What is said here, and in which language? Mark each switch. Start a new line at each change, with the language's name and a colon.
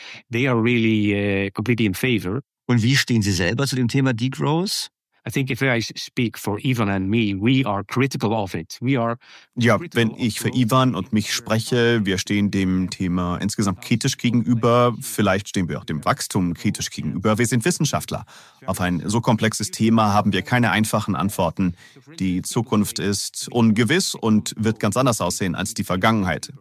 German: Und wie stehen Sie selber zu dem Thema Degrowth?
English: I think if I speak for Ivan and me, we are critical of it.
German: Ja, wenn ich für Ivan und mich spreche, wir stehen dem Thema insgesamt kritisch gegenüber. Vielleicht stehen wir auch dem Wachstum kritisch gegenüber. Wir sind Wissenschaftler. Auf ein so komplexes Thema haben wir keine einfachen Antworten. Die Zukunft ist ungewiss und wird ganz anders aussehen als die Vergangenheit.